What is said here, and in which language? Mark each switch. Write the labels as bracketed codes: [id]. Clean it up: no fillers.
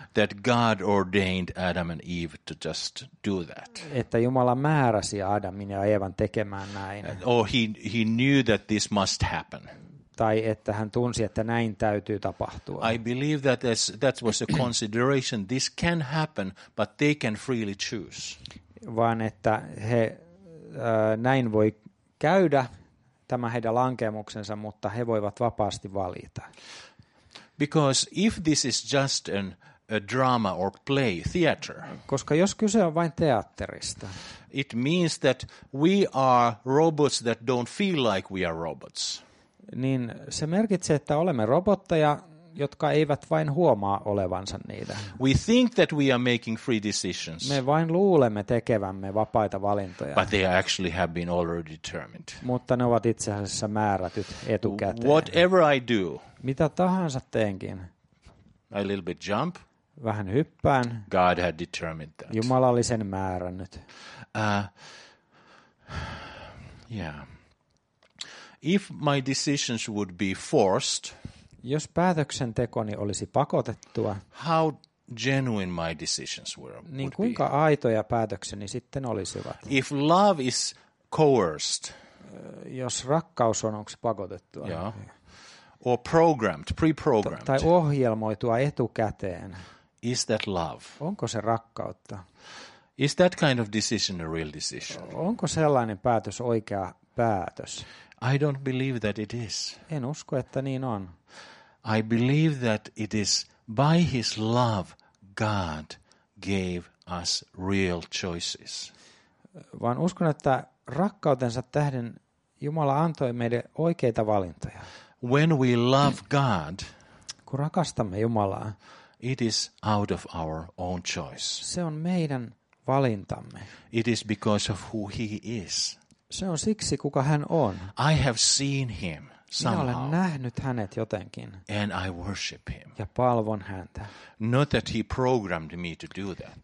[en] That God ordained Adam and Eve to just do that. [fi] Että Jumala määräsi Adamin ja Eevan tekemään näin. [en] Or he knew that this must happen. [fi] Tai että hän tunsi, että näin täytyy tapahtua. [en] I believe that that was a consideration. This can happen, but they can freely choose. [fi] Vaan että he näin voi käydä. Tämä heidän lankemuksensa, mutta he voivat vapaasti valita. [en] Because if this is just a drama or play, theater. [fi] Koska jos kyse on vain teatterista. [en] It means that we are robots that don't feel like we are robots. [fi] Niin se merkitsee, että olemme robotteja, jotka eivät vain huomaa olevansa niitä. [en] We think that we are making free decisions. [fi] Me vain luulemme tekevämme vapaita valintoja. [en] But they actually have been already determined. [fi] Mutta ne ovat itse asiassa määrätyt etukäteen. [en] Whatever I do. [fi] Mitä tahansa teenkin. [en] A little bit jump. [fi] Vähän hyppään. [en] God had determined that. [fi] Jumala oli sen määrännyt. [en] If my decisions would be forced. [fi] Jos päätöksentekoni olisi pakotettua, [en] how genuine my decisions were, [fi] niin kuinka aitoja päätökseni sitten olisivat? [en] If love is coerced, [fi] jos rakkaus on, onko se pakotettua? [en] Yeah. Or programmed, pre-programmed. [fi] Tai ohjelmoitua etukäteen. [en] Is that love? [fi] Onko se rakkautta? [en] Is that kind of decision a real decision? [fi] Onko sellainen päätös oikea päätös? [en] I don't believe that it is. [fi] En usko, että niin on. [en] I believe that it is by his love God gave us real choices. [fi] Vaan uskon, että rakkautensa tähden Jumala antoi meille oikeita valintoja. [en] When we love God, [fi] kun rakastamme Jumalaa, [en] it is out of our own choice. [fi] Se on meidän valintamme. [en] It is because of who he is. [fi] Se on siksi, kuka hän on. [en] I have seen him. [fi] Minä olen nähnyt hänet jotenkin. [en] And I worship him. [fi] Ja palvon häntä. [en] Not that he programmed me to do that.